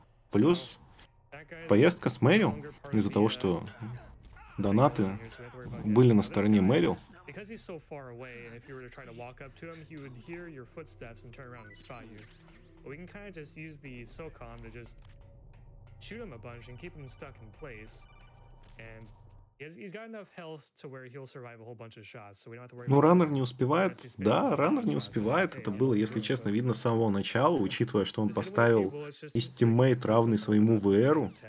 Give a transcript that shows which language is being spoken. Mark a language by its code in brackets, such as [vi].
[ru] Плюс поездка с Мэрил из-за того, что донаты были на стороне Мэрил. [en] Because he's so far away, and if you were to try to walk up to him, he would hear your footsteps and turn around and spot you. But we can kind of just use the SOCOM to just shoot him a bunch and keep him stuck in place. And he's got enough health to where he'll survive a whole bunch of shots, so we don't have to worry. [ru] Ну, раннер не успевает. Да, раннер не успевает. Это было, если честно, видно с самого начала, учитывая, что он поставил истиммейт равный своему ВРу.